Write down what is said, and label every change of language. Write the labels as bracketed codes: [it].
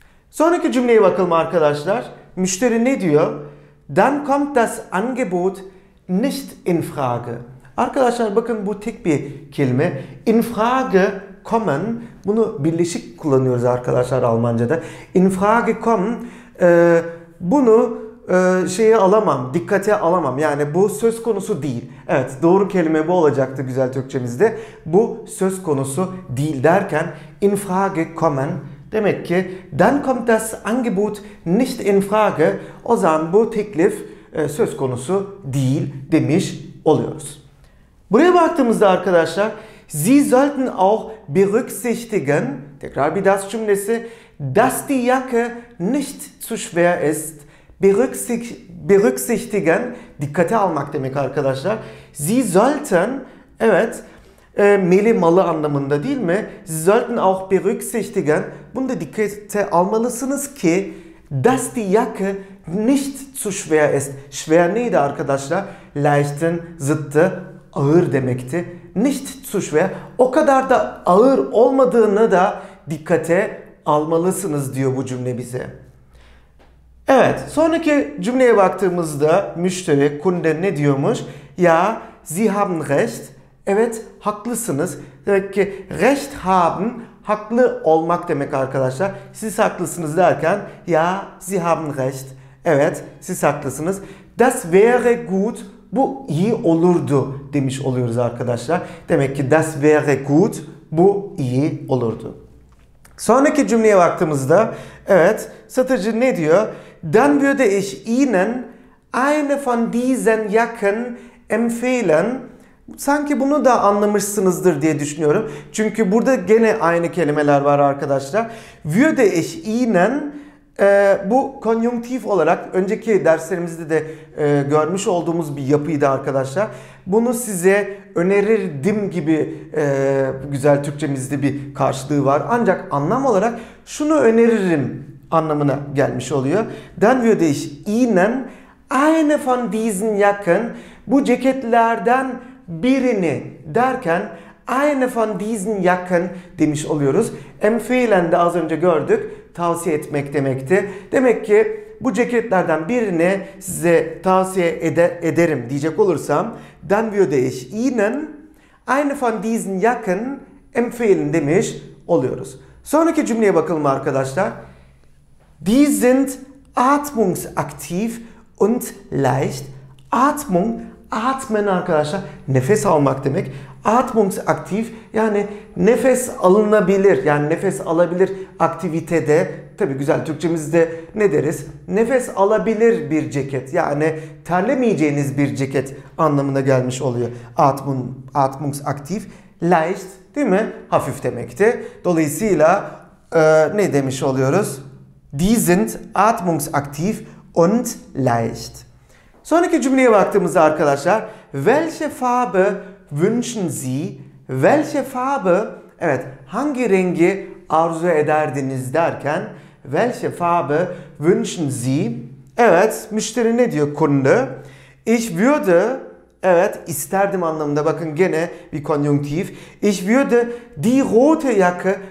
[tr] Sonraki cümleye bakalım arkadaşlar. Müşteri ne diyor? [de] Dann kommt das Angebot nicht in Frage. [tr] Arkadaşlar bakın bu tek bir kelime. [de] In Frage kommen, [tr] bunu birleşik kullanıyoruz arkadaşlar Almanca'da. [de] In Frage kommen, [tr] bunu şeye alamam, dikkate alamam. Yani bu söz konusu değil. Evet, doğru kelime bu olacaktı güzel Türkçemizde. Bu söz konusu değil derken [de] in Frage kommen [tr] demek ki [de] dann kommt das Angebot nicht in Frage. [tr] O zaman bu teklif söz konusu değil demiş oluyoruz. Buraya baktığımızda arkadaşlar [de] Sie sollten auch berücksichtigen, [tr] tekrar bir das cümlesi, [de] dass die Jacke nicht zu schwer ist. [tr] Berücksichtigen, dikkate almak demek arkadaşlar. Sie sollten, evet, meli malı anlamında değil mi? [de] Sie sollten auch berücksichtigen, [tr] bunu da dikkate almalısınız ki, [de] dass die Jacke nicht zu schwer ist. [tr] Schwer neydi arkadaşlar? Leichten, zıttı, ağır demekti. [de] Nicht zu schwer, [tr] o kadar da ağır olmadığını da dikkate almalısınız diyor bu cümle bize. Evet, sonraki cümleye baktığımızda müşteri, Kunde ne diyormuş? [de] Ja, Sie haben recht. [tr] Evet, haklısınız. Demek ki [de] recht haben, [tr] haklı olmak demek arkadaşlar. Siz haklısınız derken, [de] ja, Sie haben recht. [tr] Evet, siz haklısınız. [de] Das wäre gut. [tr] Bu iyi olurdu demiş oluyoruz arkadaşlar. Demek ki [de] das wäre gut, [tr] bu iyi olurdu. Sonraki cümleye baktığımızda, evet, satıcı ne diyor? [de] Dann würde ich Ihnen eine von diesen Jacken empfehlen. [tr] Sanki bunu da anlamışsınızdır diye düşünüyorum. Çünkü burada gene aynı kelimeler var arkadaşlar. [de] Würde ich Ihnen, [tr] bu konjunktif olarak önceki derslerimizde de görmüş olduğumuz bir yapıydı arkadaşlar. Bunu size önerirdim gibi güzel Türkçemizde bir karşılığı var. Ancak anlam olarak şunu öneririm anlamına gelmiş oluyor. [de] Dann würde ich Ihnen eine von diesen Jacken, [tr] bu ceketlerden birini derken [de] eine von diesen Jacken [tr] demiş oluyoruz. Empfehlen de az önce gördük. Tavsiye etmek demekti. Demek ki bu ceketlerden birini size tavsiye ederim diyecek olursam [de] dann würde ich Ihnen eine von diesen Jacken empfehlen [tr] demiş oluyoruz. Sonraki cümleye bakalım arkadaşlar. [de] Die sind atmungsaktiv und leicht. [tr] Atmung, atmen arkadaşlar, nefes almak demek. Atmungsaktiv, yani nefes alınabilir, yani nefes alabilir aktivitede, tabii güzel Türkçemizde ne deriz? Nefes alabilir bir ceket, yani terlemeyeceğiniz bir ceket anlamına gelmiş oluyor. Atmungsaktiv, leicht, değil mi? Hafif demekti. Dolayısıyla ne demiş oluyoruz? [de] Die sind atmungsaktiv und leicht. [tr] Sonraki cümleye baktığımızda arkadaşlar, [de] welche Farbe wünschen Sie? Welche Farbe? [tr] Evet, hangi rengi arzu ederdiniz derken [de] welche Farbe wünschen Sie? [tr] Evet, müşteri ne diyor Kunde? [de] Ich würde, [tr] Evet, isterdim anlamında. Bakın gene bir konjunktif. [de] Ich würde die rote Jacke.